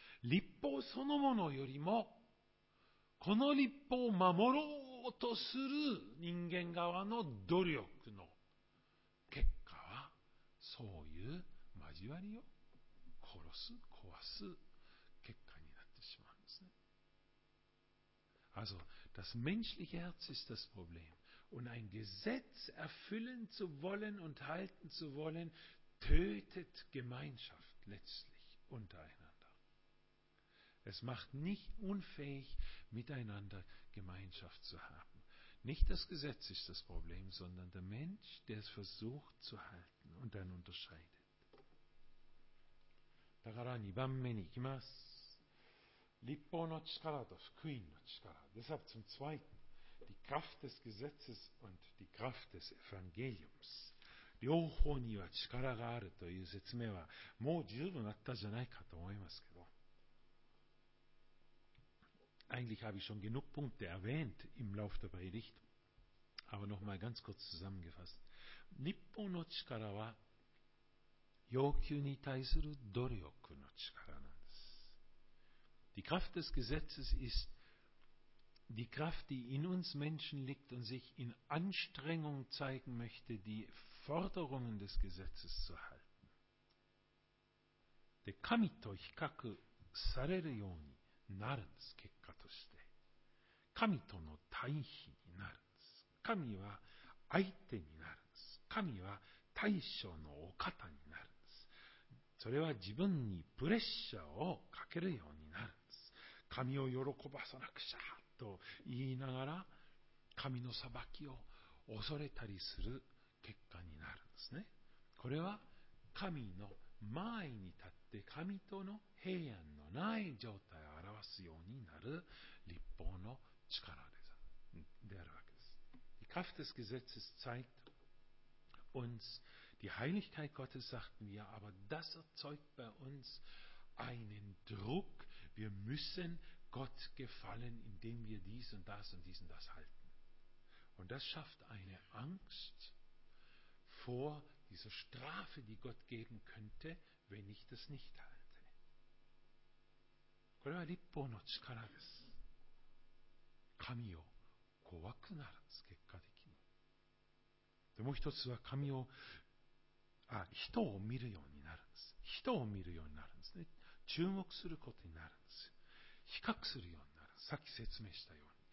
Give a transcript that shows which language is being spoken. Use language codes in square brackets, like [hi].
[ja] 律法そのものよりもこの律法を守ろうとする人間側の努力の結果はそういう交わりを殺す壊す結果になってしまうんですね。 [de] Also das menschliche Herz ist das Problem. Und ein Gesetz erfüllen zu wollen und halten zu wollen tötet Gemeinschaft letztlich untereinander. Es macht nicht unfähig, miteinander Gemeinschaft zu haben. Nicht das Gesetz ist das Problem, sondern der Mensch, der es versucht zu halten und dann unterscheidet. [ja] だから2番目に行きます。律法の力と福音の力。 [de] Deshalb zum zweiten. Die Kraft des Gesetzes und die Kraft des Evangeliums. [ja] 両方には力があるという説明はもう十分あったじゃないかと思いますけど。 [de] Eigentlich habe ich schon genug Punkte erwähnt im Lauf der Predigt, aber nochmal ganz kurz zusammengefasst. [ja] 律法の力は要求に対する努力の力なんです。 [de] Die Kraft des Gesetzes ist die Kraft, die in uns Menschen liegt und sich in Anstrengung zeigen möchte, die Forderungen des Gesetzes zu halten. [ja] で、神と比較されるようになるんです。結果として神との対比になるんです。神は相手になるんです。神は大将のお方になるんです。それは自分にプレッシャーをかけるようになるんです。神を喜ばさなくちゃと言いながら神の裁きを恐れたりする結果になるんですね。これは神の前に立って神との平安のない状態を表すようになる律法の力であるわけです。 [de] Die Kraft des Gesetzes zeigt uns die Heiligkeit Gottes, sagten wir, aber das erzeugt bei uns einen Druck. Wir müssen Gott gefallen, indem wir dies und das und dies und das halten. Und das schafft eine Angst vor dieser Strafe, die Gott geben könnte, wenn ich das nicht halte. [ja] これは立法の力です。神を怖くなるんです、結果的に。でもう一つは神を、人を見るようになるんです。人を見るようになるんですね。注目することになるんです。比較するようになる。さっき説明したように。